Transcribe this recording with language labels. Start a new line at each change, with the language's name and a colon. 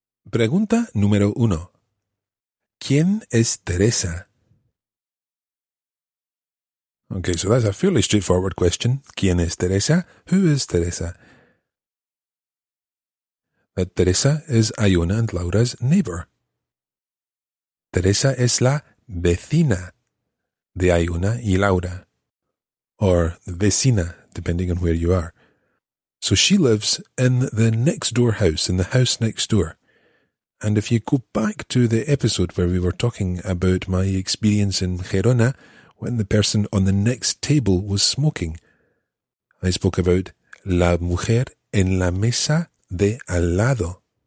Spanish: Pregunta número uno. ¿Quién es Teresa?
English: Okay, so that's a fairly straightforward question.
Spanish: ¿Quién es Teresa?
English: Who is Teresa? That Teresa is Ayona and Laura's neighbor.
Spanish: Teresa es la vecina de Ayona y Laura.
English: Or vecina, depending on where you are. So she lives in the next door house, in the house next door. And if you go back to the episode where we were talking about my experience in Gerona, when the person on the next table was smoking, I spoke about
Spanish: la mujer en la mesa de al lado.